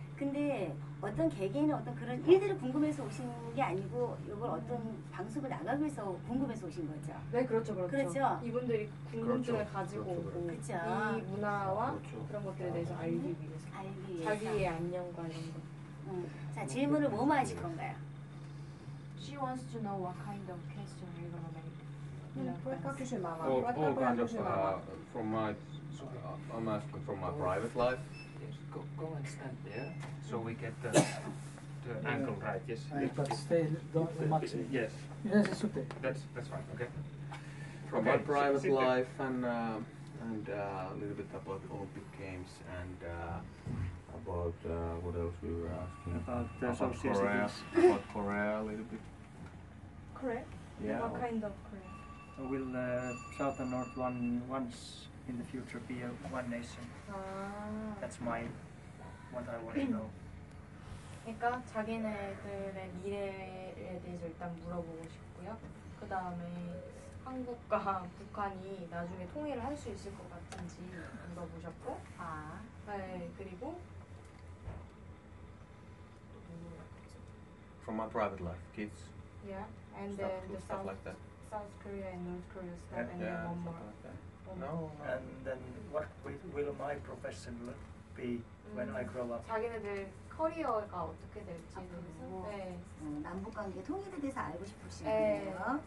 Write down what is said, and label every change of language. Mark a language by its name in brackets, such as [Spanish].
[Korean] 근데 어떤 개개인 어떤 그런 일들을 궁금해서 오신 게 아니고 이걸 어떤 방송을 나가기 위해서 궁금해서 오신 거죠. 네, 그렇죠, 그렇죠. 그렇죠. 이분들이 궁금증을 가지고 그렇죠, 오고 그렇죠. 이 문화와 그렇죠. 그런 것들에 대해서 알기 위해서. 알기 위해서. 자기의 안녕과 이런 거. 자, 질문을 뭐 하실 건가요? [English] She wants to know what kind of question you're gonna make. All kind of from my, I'm asking from my private life. Yes, go and stand there so we get the ankle right. Yes, but stay the maximum. Yes, yes, it's okay. That's fine. Okay. From my private life and a little bit about Olympic Games and. About what else we were asking about the association about Korea a little bit. Korea? Yeah. What kind of Korea? Will South and North one once in the future be a one nation? Ah. That's my what I want to know. [Korean] 그러니까 자기네들의 미래에 대해서 일단 물어보고 싶고요. 그 다음에 한국과 북한이 나중에 통일을 할 수 있을 것 같은지 물어보셨고. 아. 네 그리고. [English] From my private life, kids. Yeah, and then the stuff South, like that. South Korea and North Korea stuff, and then yeah, one more. Like no, and then what will my profession look be when I grow up? [Korean] 자기네들 커리어가 어떻게 될지 모르고. 네. 남북 관계 통일에 대해서 알고 싶으신 분이에요.